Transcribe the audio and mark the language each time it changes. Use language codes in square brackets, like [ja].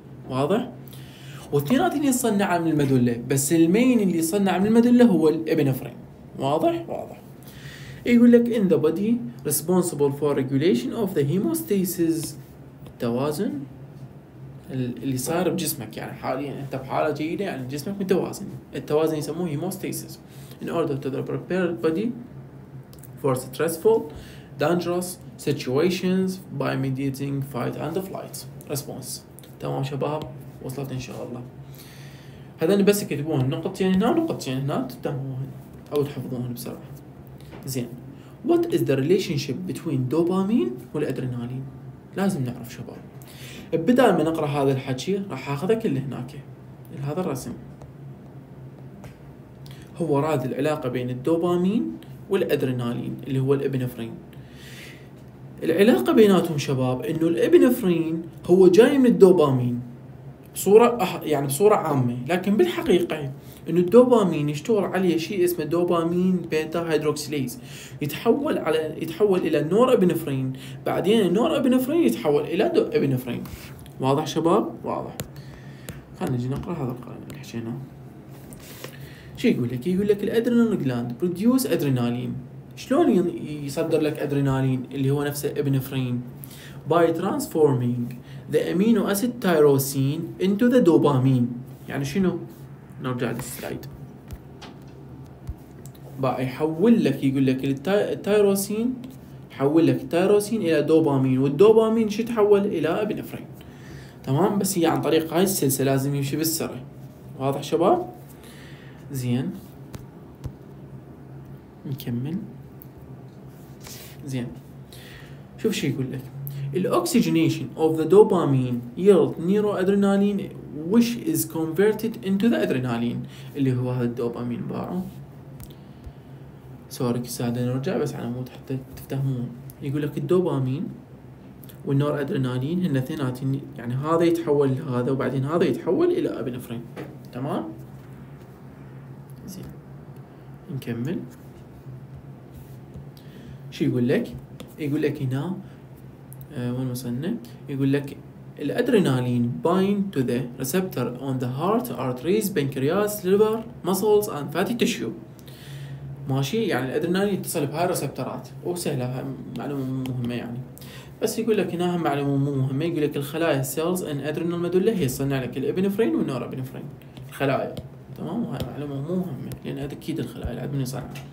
[ar] واضح؟ والثنائي يصنع من المدلة، بس المين اللي يصنع من المدلة هو الإبنفرين. واضح؟ واضح. يقول لك [en] in the body responsible for regulation of the hemostasis، [ar] التوازن اللي صار بجسمك، يعني حاليا انت بحالة جيدة يعني جسمك متوازن. التوازن يسموه [en] hemostasis in order to prepare the body for stressful dangerous situations by mediating fight and flight response. [ar] تمام شباب، وصلت ان شاء الله. هذان بس يكتبوهن، نقطتين هنا ونقطتين هنا، تتمهون او تحفظوهن بسرعه. [en] زين، what is the relationship between dopamine [ar] والادرينالين؟ لازم نعرف شباب. بدال ما نقرا هذا الحكي راح اخذك اللي هناك هذا الرسم. هو راد العلاقه بين الدوبامين والادرينالين اللي هو الابنفرين. العلاقة بيناتهم شباب إنه الإبنفرين هو جاي من الدوبامين بصورة يعني بصورة عامة، لكن بالحقيقة إنه الدوبامين يشتغل عليه شيء اسمه دوبامين بيتا هيدروكسيليز، يتحول إلى نور إبنفرين، بعدين النور إبنفرين يتحول إلى إبنفرين. واضح شباب؟ واضح. خلينا نجي نقرأ هذا القرآن اللي حشينا. شو يقول لك؟ يقول لك الأدرينال جلاند بروديوس أدرينالين. شلون يصدر لك أدرينالين اللي هو نفسه إبنفرين؟ [en] by transforming the amino acid tyrosine into the dopamine. [ar] يعني شنو؟ نرجع للسلايد. بقى يحول لك، يقول لك التايروسين، يحول لك التايروسين إلى دوبامين، والدوبامين شو تحول إلى إبنفرين. تمام، بس هي عن طريق هاي السلسلة لازم يمشي بالسرعة. واضح شباب؟ زين، نكمل. زين، شوف شو يقول لك. [en] الأكسجينيشن of the dopamine yield neuroadrenaline which is converted into the adrenaline [ar] اللي هو هذا الدوبامين. باعه سوري كسادة نرجع بس على مود حتى تفتهمون. يقول لك الدوبامين والنور أدرينالين هن اثنين، يعني هذا يتحول لهذا وبعدين هذا يتحول إلى أبنفرين. تمام، زين نكمل. شو يقول لك؟ يقول لك هنا وين وصلنا؟ يقول لك الأدرينالين [en] bind to the receptor on the heart arteries pancreas liver muscles and fatty tissue. [ar] ماشي، يعني الأدرينالين يتصل بهاي الرسبترات، وسهلة معلومة مهمة يعني. بس يقول لك هنا معلومة مهمة، يقول لك الخلايا [en] cells and adrenal medulla [ar] هي تصنع لك الإبنفرين والنورابنفرين. الخلايا، تمام، وهاي معلومة مهمة لأن أكيد الخلايا العاد من يصنع.